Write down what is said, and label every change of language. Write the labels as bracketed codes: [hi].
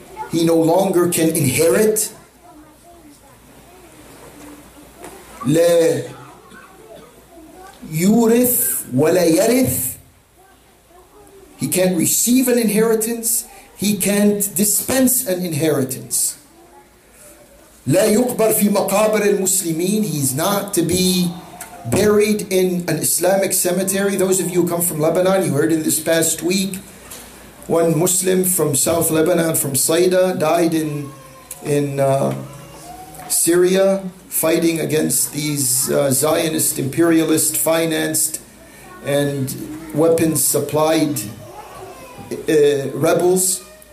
[en] He no longer can inherit. [ar] لا يورث ولا يرث. [en] He can't receive an inheritance. He can't dispense an inheritance. [ar] لا يقبر في مقابر المسلمين. [en] He's not to be buried in an Islamic cemetery. Those of you who come from Lebanon, you heard in this past week, one Muslim from South Lebanon, from Saida, died in Syria. Fighting against these Zionist imperialist financed and weapons supplied rebels.